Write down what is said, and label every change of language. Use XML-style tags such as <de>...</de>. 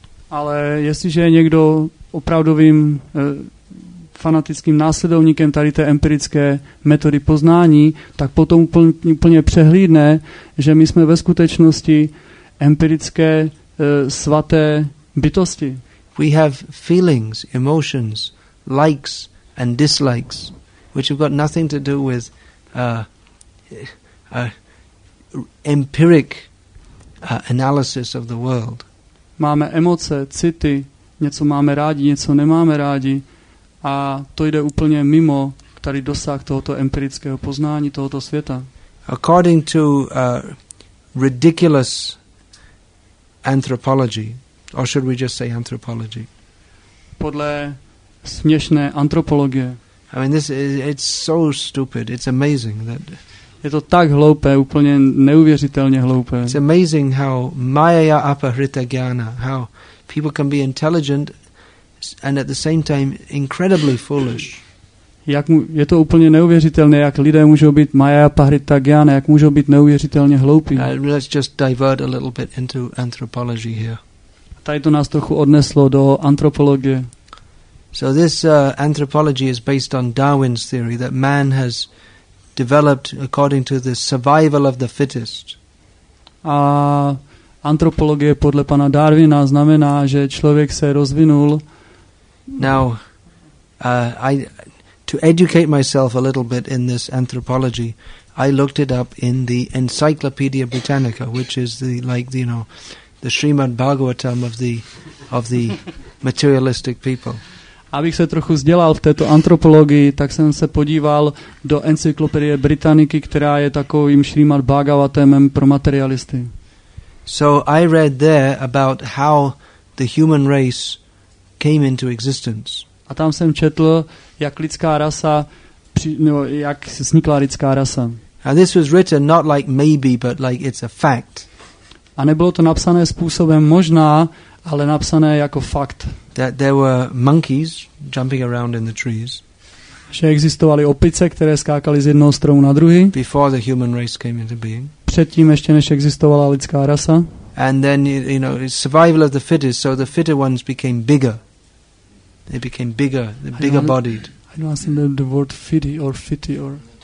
<cs>Ale jestliže je někdo opravdovým fanatickým následovníkem tady té empirické metody poznání, tak potom úplně přehlídne, že my jsme ve skutečnosti empirické svaté bytosti.</cs> <en>We have feelings, emotions, likes and dislikes, which have got nothing to do with empiric analysis of the world.</en> <cs>Máme emoce, city, něco máme rádi, něco nemáme rádi a to jde úplně mimo tady dosah tohoto empirického poznání tohoto světa.</cs> <en>According to ridiculous anthropology, or should we just say anthropology?</en> <cs>Podle směšné antropologie.</cs> <en>I mean, it's so stupid, it's amazing that...</en> <cs>Je to tak hloupé, úplně neuvěřitelně hloupé.</cs> <en>It's amazing how</en> <sa>maya apahrita jnana,</sa> <en>how people can be intelligent and at the same time incredibly foolish.</en> <cs>Je to úplně neuvěřitelné, jak lidé můžou být</cs> <sa>maya apahrita jnana,</sa> <cs>jak můžou být neuvěřitelně hloupí.</cs> <en>Let's just divert a little bit into anthropology here.</en> <cs>Tady to nás trochu odneslo do antropologie.</cs> <en>So this anthropology is based on Darwin's theory that man has developed according to the survival of the fittest.</en> <cs>A antropologie podle pana Darwina znamená, že člověk se rozvinul.</cs> <en>Now, to educate myself a little bit in this anthropology, I looked it up in the Encyclopedia Britannica, which is the Srimad Bhagavatam of the materialistic people.</en> <cs>Abych se trochu vzdělal v této antropologii, tak jsem se podíval do Encyklopedie Britanniky, která je takovým Srimad Bhagavatamem pro materialisty.</cs> <en>So I read there about how the human race came into existence.</en> <cs>A tam jsem četl, jak lidská rasa jak vznikla lidská rasa.</cs> <en>And this was written not like maybe, but like it's a fact.</en> <cs>A nebylo to napsané způsobem možná, ale napsané jako fakt.</cs> <en>That there were monkeys jumping around in the trees.</en> <cs>Že existovaly opice, které skákaly z jednoho stromu na druhý.</cs> <en>Before the human race came into being.</en> <cs>Předtím ještě než existovala lidská rasa.</cs> <en>And then survival of the fittest, so the fitter ones became bigger. They became bigger, the bigger bodied. I don't understand the word fitty or fitty or.</en>